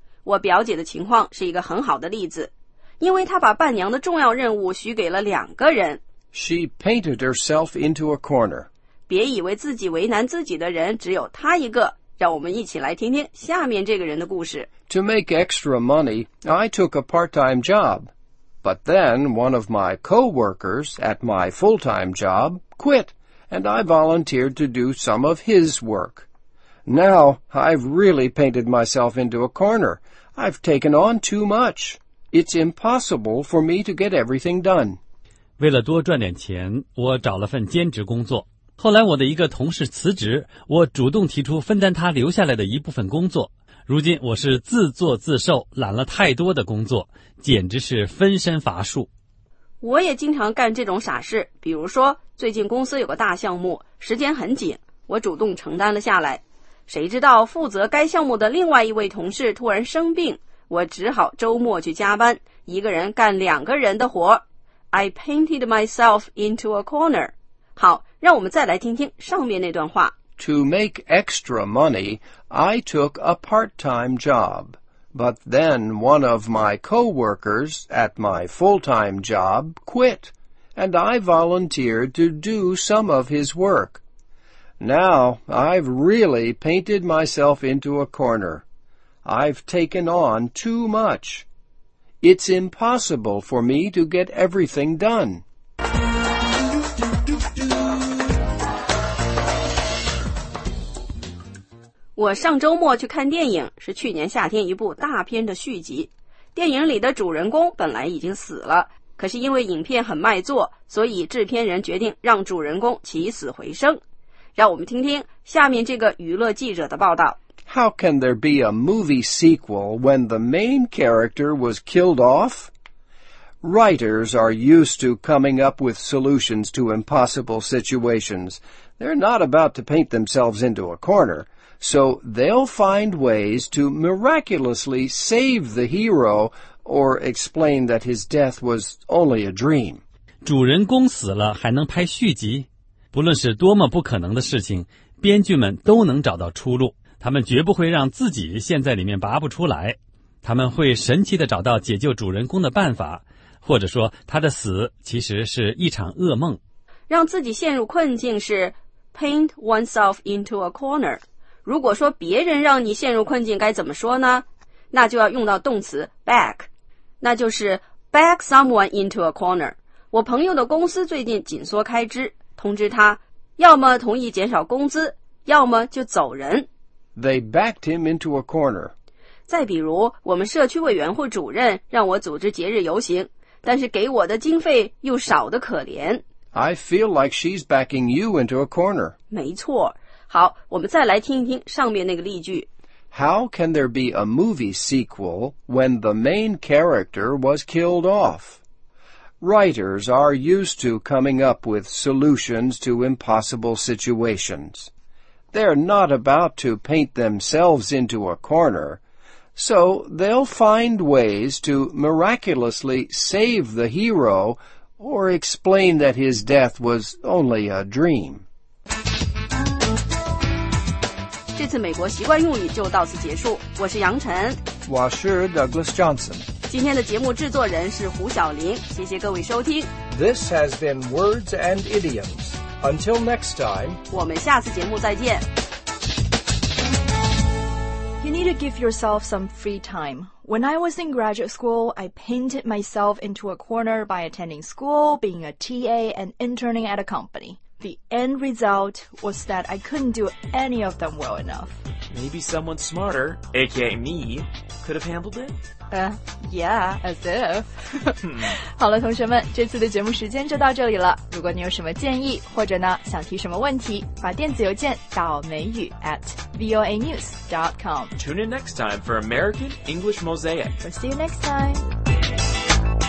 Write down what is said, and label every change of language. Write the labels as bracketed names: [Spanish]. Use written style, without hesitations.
[Chinese] 我表姐的情况是一个很好的例子。因为她把伴娘的重要任务许给了两个人。 [English] She painted herself into a corner. [Chinese] 别以为自己为难自己的人只有她一个。让我们一起来听听下面这个人的故事。 [English] To make extra money, I took a part-time job. But then one of my co-workers at my full-time job quit, and I volunteered to do some of his work. Now I've really painted myself into a corner. I've taken on too much. It's impossible for me to get everything done. [Chinese] 为了多赚点钱，我找了份兼职工作。后来我的一个同事辞职，我主动提出分担他留下来的一部分工作。如今我是自作自受，揽了太多的工作，简直是分身乏术。我也经常干这种傻事，比如说最近公司有个大项目，时间很紧，我主动承担了下来。谁知道负责该项目的另外一位同事突然生病，我只好周末去加班，一个人干两个人的活。 [English] I painted myself into a corner. [Chinese] 好，让我们再来听听上面那段话。 [English] To make extra money, I took a part-time job. But then one of my co-workers at my full-time job quit, and I volunteered to do some of his work. Now I've really painted myself into a corner. I've taken on too much. It's impossible for me to get everything done. [Chinese] 我上周末去看电影，是去年夏天一部大片的续集。电影里的主人公本来已经死了，可是因为影片很卖座，所以制片人决定让主人公起死回生。让我们听听下面这个娱乐记者的报道。 [English] How can there be a movie sequel when the main character was killed off? Writers are used to coming up with solutions to impossible situations. They're not about to paint themselves into a corner, so they'll find ways to miraculously save the hero or explain that his death was only a dream. [Chinese] 主人公死了还能拍续集？不论是多么不可能的事情，编剧们都能找到出路。他们绝不会让自己陷在里面拔不出来，他们会神奇地找到解救主人公的办法，或者说他的死其实是一场噩梦。让自己陷入困境是 [English] paint oneself into a corner。 [Chinese] 如果说别人让你陷入困境该怎么说呢？那就要用到动词 back， 那就是 [English] back someone into a corner。 [Chinese] 我朋友的公司最近紧缩开支，通知他要么同意减少工资，要么就走人。 [English] They backed him into a corner. [Chinese] 再比如，我们社区委员会主任让我组织节日游行，但是给我的经费又少得可怜。 [English] I feel like she's backing you into a corner. [Chinese] 没错。好，我们再来听一听上面那个例句。 [English] How can there be a movie sequel when the main character was killed off? Writers are used to coming up with solutions to impossible situations. They're not about to paint themselves into a corner, so they'll find ways to miraculously save the hero or explain that his death was only a dream. [Chinese] 这次美国习惯用语就到此结束。我是杨晨，我是 Douglas Johnson。今天的节目制作人是胡晓玲，谢谢各位收听。 [English] This has been Words and Idioms. Until next time, [Chinese] 我们下次节目再见。 [English] You need to give yourself some free time. When I was in graduate school, I painted myself into a corner by attending school, being a TA, and interning at a company. The end result was that I couldn't do any of them well enough. Maybe someone smarter, aka me, could have handled it? Yeah, as if. [Chinese] 好了，同学们，这次的节目时间就到这里了。如果你有什么建议，或者呢，想提什么问题，把电子邮件到美语@voanews.com. [English] Tune in next time for American English Mosaic. We'll see you next time.